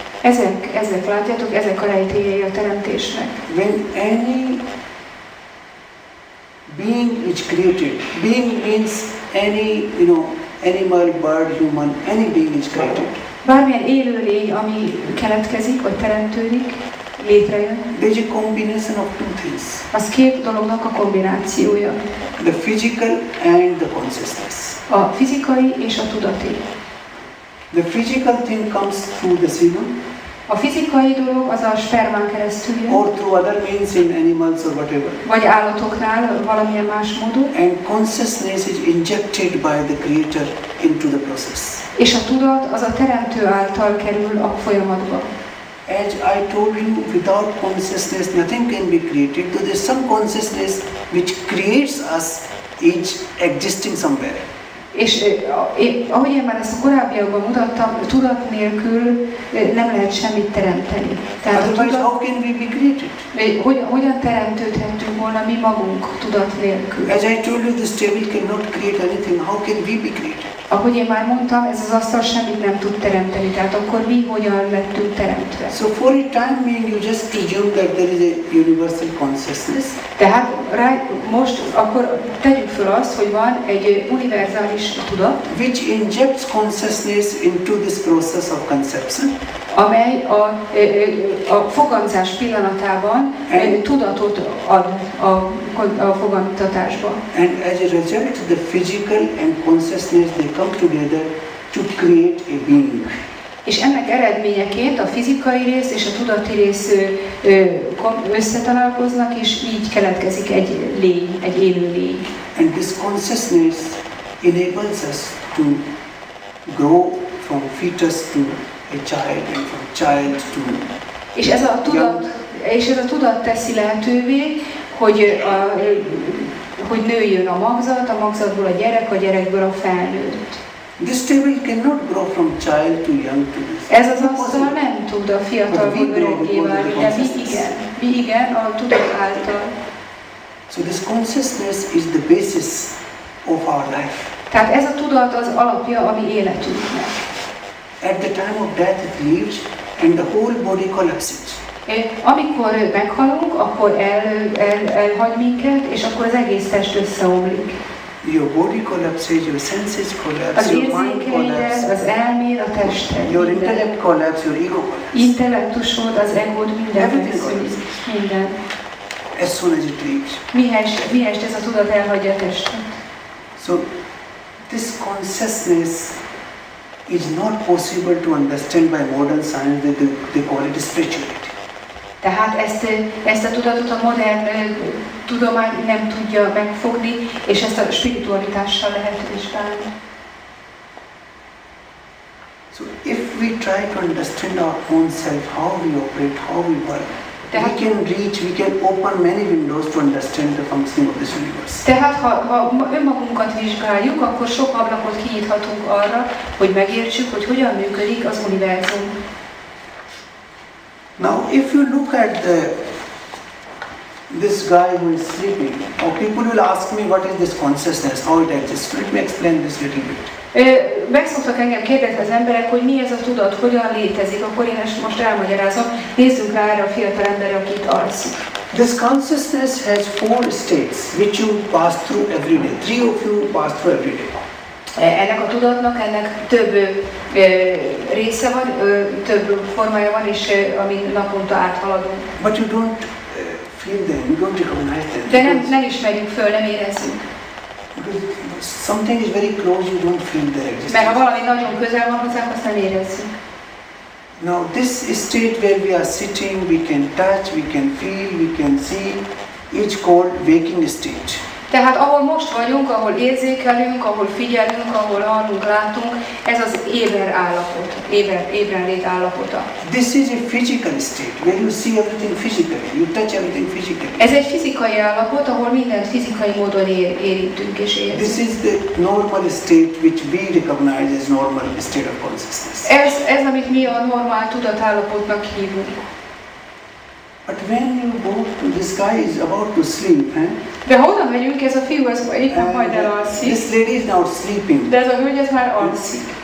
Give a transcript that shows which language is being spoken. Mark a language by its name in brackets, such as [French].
[Hungarian] Ezek, látjátok, ezek a rejtélyei a teremtésnek. [English] When any being is created, being means any, you know, animal, bird, human, any being is created. [Hungarian] Bármilyen élőlény, ami keletkezik, vagy teremtődik, létrejön. [English] There's a combination of two things. [Hungarian] Az két dolognak a kombinációja. [English] The physical and the consciousness. [Hungarian] A fizikai és a tudati. [English] The physical thing comes through the semen. [Hungarian] A fizikai dolog az a spermán keresztül jön. [English] Or through other means in animals or whatever. [Hungarian] Vagy állatoknál valamilyen más módon. [English] And consciousness is injected by the creator into the process. [Hungarian] És a tudat az a teremtő által kerül a folyamatba. [English] As I told you, without consciousness, nothing can be created. So there's some consciousness which creates us each existing somewhere. [Hungarian] És ahogy én már ezt a korábbiakban mutattam, tudat nélkül nem lehet semmit teremteni. [English] Tehát otherwise, how can we be created? [Hungarian] Hogyan teremtődhetünk volna mi magunk tudat nélkül? [English] As I told you, this table cannot create anything. How can we be created? [Hungarian] Ahogy én már mondtam, ez az asztal semmit nem tud teremteni. Tehát akkor mi hogyan lettünk teremtve? [English] So for a time being, you just presume that there is a universal consciousness. [Hungarian] Tehát right, most akkor tegyük fel azt, hogy van egy univerzális tudat, [English] which injects consciousness into this process of conception, [Hungarian] amely a fogantzás pillanatában tudatot ad a fogantatásban. [English] And as a result, the physical and consciousness, they come together to create a being. [Hungarian] És ennek eredményeként a fizikai rész és a tudati rész összetalálkoznak, és így keletkezik egy lény, egy élő lény. [English] And this consciousness enables us to grow from fetus to a child, and from child to [Hungarian] és ez a tudat, és ez a tudat teszi lehetővé, hogy a, hogy nőjön a magzatból a gyerek, a gyerekből a felnőtt. [English] This table cannot grow from child to young to this. [Hungarian] Ez az asztal nem tud a fiatalból öreggé válni, de mi igen, a tudat által. [English] So this consciousness is the basis of our life. [Hungarian] Tehát ez a tudat az alapja a mi életünknek. [English] At the time of death it leaves and the whole body collapses. [Hungarian] Amikor meghalunk, akkor elhagy minket, és akkor az egész test összeomlik. [English] Your body collapses, your senses collapse, [Hungarian] az [English] your mind collapse, [Hungarian] az elmér, a tested, [English] your intellect collapse, your ego collapse. [Hungarian] Intellektusod, az egód, minden. [English] Everything collapses. [Hungarian] Minden. [English] As soon as it leaves. [Hungarian] Mihelyest ez a tudat elhagyja a testet. [English] So, this consciousness is not possible to understand by modern science that they call it spirituality. [Hungarian] Tehát ezt a tudatot a modern tudomány nem tudja megfogni, és ezt a spiritualitással lehet is bánni. [English] So if we try to understand our own self, how we operate, how we work, we can reach, we can open many windows to understand the functioning of this universe. [Hungarian] Tehát ha önmagunkat vizsgáljuk, akkor sok ablakot kinyithatunk arra, hogy megértsük, hogy hogyan működik az univerzum. [English] Now, if you look at the this guy who is sleeping, or people will ask me, what is this consciousness? How it exists? Let me explain this little bit. [Hungarian] Megszoktak engem kérdezni az emberek, hogy mi ez a tudat, hogyan létezik, akkor én ezt most elmagyarázom. Nézzünk rá erre a fiatal emberre, akit alszik. [English] This consciousness has four states, which you pass through every day. Three of you pass through every day. [Hungarian] Ennek a tudatnak ennek több része van, több formája van, és amit naponta áthaladunk. [English] But you don't feel them, you don't recognize them. [Hungarian] De nem ismerjük föl, nem érezzük. [English] Something is very close, you don't feel their existence. [Hungarian] Mert ha valami nagyon közel van hozzánk, azt nem érezzük. [English] Now this state where we are sitting, we can touch, we can feel, we can see, it's called waking state. [Hungarian] Tehát ahol most vagyunk, ahol érzékelünk, ahol figyelünk, ahol hallunk, látunk, ez az éber állapot, ébrenlét állapota. [English] This is a physical state, where you see everything physically, you touch everything physically. [Hungarian] Ez egy fizikai állapot, ahol mindent fizikai módon érintünk és érzünk. [English] This is the normal state, which we recognize as normal state of consciousness. [Hungarian] Ez amit mi a normál tudatállapotnak hívunk. [English] But when you go to this guy is about to sleep, eh? [Hungarian] De hova megyünk, ez a fiú, ez éppen majd elalszik. [English] This lady is now sleeping. [Hungarian] De ez a hölgy, ez már alszik.